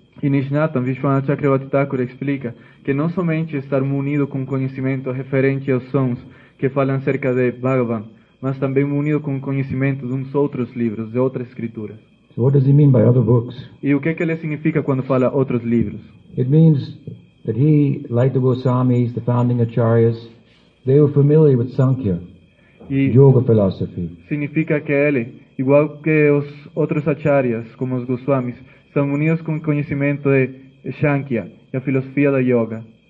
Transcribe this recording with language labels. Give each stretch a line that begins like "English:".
Portuguese: E Nishtatam, Vishvanatha Chakravarti Thakur explica que não somente estar munido com conhecimento referente aos sons que falam acerca de Bhagavan, mas também unido com o conhecimento de uns outros livros, de outras escrituras.
English: So what does he mean by other books?
Portuguese: E o que ele significa quando fala outros livros?
English: It means that he, like the Goswamis, the founding acharyas, they were familiar with Sankhya,
Portuguese: e
English: yoga philosophy.
Portuguese: Significa que ele, igual que os outros acharyas, como os Goswamis, são unidos com o conhecimento de Sankhya, e a filosofia da yoga.